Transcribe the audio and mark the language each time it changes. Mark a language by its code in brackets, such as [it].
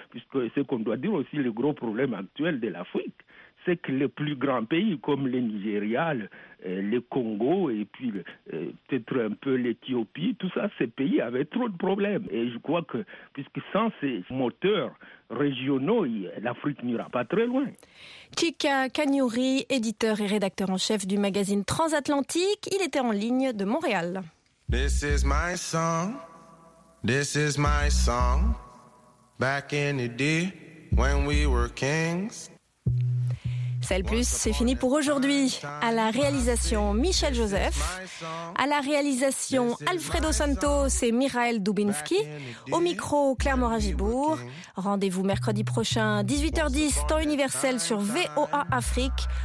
[fr] Puisque ce qu'on doit dire aussi, le gros problème actuel de l'Afrique, c'est que les plus grands pays comme le Nigeria, le Congo et puis peut-être un peu l'Éthiopie, tout ça, ces pays avaient trop de problèmes. Et je crois que, puisque sans ces moteurs régionaux, l'Afrique n'ira pas très loin. Chika Kanyuri, éditeur et rédacteur en chef du magazine Transatlantique, il était en ligne de Montréal. [en] This is my song, this is my song. Back in the day, when we were kings. [fr] Celle Plus, c'est fini pour aujourd'hui. À la réalisation, Michel Joseph. À la réalisation, Alfredo Santos et Mireille Dubinsky. Au micro, Claire Morin-Gibourg. Rendez-vous mercredi prochain, 18h10, temps universel sur VOA Afrique.